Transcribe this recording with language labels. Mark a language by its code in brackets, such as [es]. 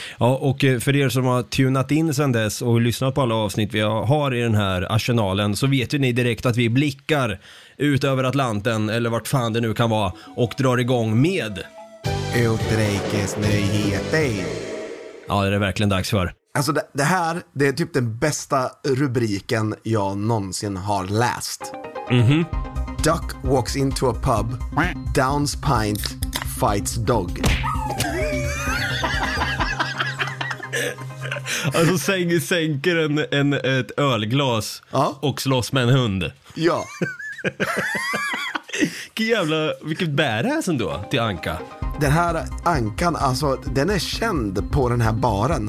[sv] Ja, och för er som har tunat in sedan dess och lyssnat på alla avsnitt vi har i den här arsenalen, så vet ju ni direkt att vi blickar ut över Atlanten, eller vart fan det nu kan vara, och drar igång med... Utrikes nyheter. Ja, det är verkligen dags för. Alltså det här, det är typ den bästa rubriken jag någonsin har läst. Mm-hmm. [en] Duck walks into a pub, downs pint, fights dog. [sv] Alltså sänker ett ölglas, ja, och slåss med en hund. Ja. Jävla, vilket bär det här sen då till Anka? Den här Ankan, alltså den är känd på den här baren.